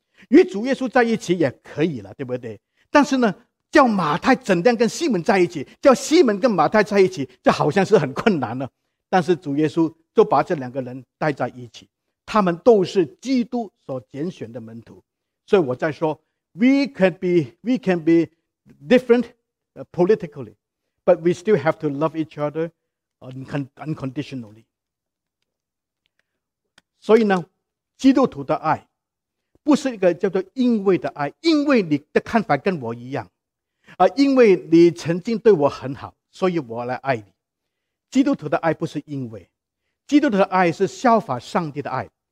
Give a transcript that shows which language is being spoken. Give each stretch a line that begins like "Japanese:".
Chinese: 与主耶稣在一起也可以了，对不对？但是呢，叫马太怎样跟西门在一起，叫西门跟马太在一起，这好像是很困难了。但是主耶稣就把这两个人带在一起，他们都是基督所拣选的门徒。所以我在说
English: we can be different politically, but we still have to love each other unconditionally.
Chinese: 所以呢，基督徒的爱不是一个叫做因为的爱，因为你的看法跟我一样，而因为你曾经对我很好，所以我来爱你。基督徒的爱不是因为，基督徒的爱是效法上帝的爱。